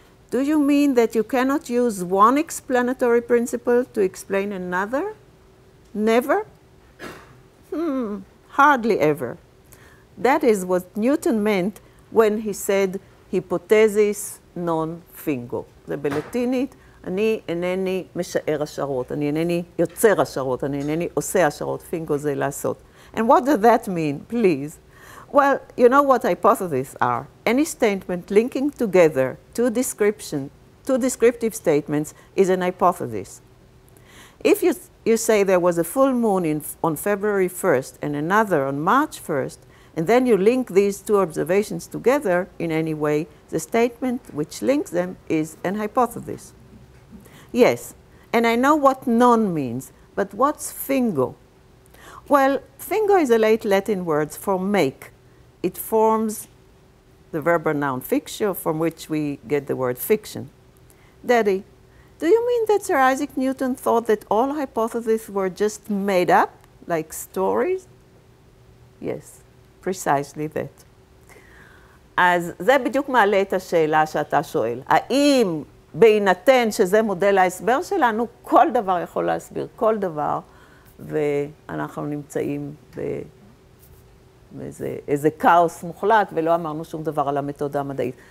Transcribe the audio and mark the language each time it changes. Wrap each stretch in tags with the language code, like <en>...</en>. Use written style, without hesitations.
<en>Do you mean that you cannot use one explanatory principle to explain another? Never? Hardly ever. That is what Newton meant when he said,</en> <la>hypothesis non fingo.</la> <he>זה בלטינית, אני אינני משער השערות, אני אינני יוצר השערות, אני אינני עושה השערות, fingo זה לעשות.</he> <en>And what does that mean, please? Well, you know what hypotheses are. Any statement linking together two descriptive statements is an hypothesis. If you say there was a full moon on February 1st and another on March 1st, and then you link these two observations together in any way, the statement which links them is an hypothesis. Yes, and I know what non means, but what's fingo? Well, fingo is a late Latin word for make. It forms the verb noun fictio, from which we get the word fiction. Daddy, do you mean that Sir Isaac Newton thought that all hypotheses were just made up, like stories? Yes. Precisely that.</en> <he>אז זה בדיוק מעלה את השאלה שאתה שואל. האם בהינתן שזה מודל ההסבר שלנו, כל דבר יכול להסביר, כל דבר, ואנחנו נמצאים באיזה כאוס מוחלט, ולא אמרנו שום דבר על המתודה המדעית.</he>